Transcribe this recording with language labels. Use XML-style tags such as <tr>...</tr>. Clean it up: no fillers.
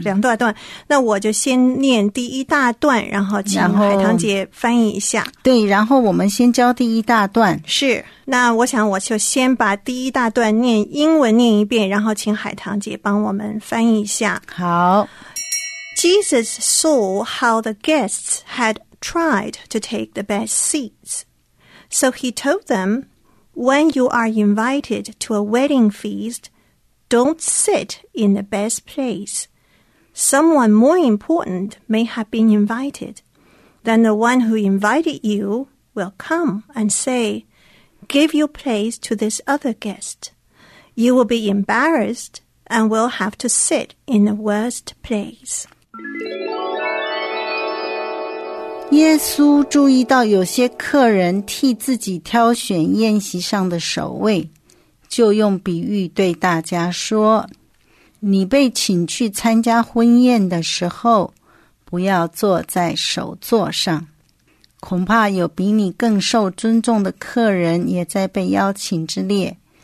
<zh>两大段。那我就先念第一大段，然后请海棠姐翻译一下。对，然后我们先教第一大段。是，那我想我就先把第一大段念英文念一遍，然后请海棠姐帮我们翻译一下。好。</zh> <en>Jesus saw how the guests had tried to take the best seats. So he told them, when you are invited to a wedding feast, don't sit in the best place. Someone more important may have been invited. Then the one who invited you will come and say, give your place to this other guest. You will be embarrassed and will have to sit in the worst place.</en> <zh>耶稣注意到有些客人替自己挑选宴席上的首位，就用比喻对大家说，你被请去参加婚宴的时候，不要坐在首座上，恐怕有比你更受尊重的客人也在被邀请之列。</zh>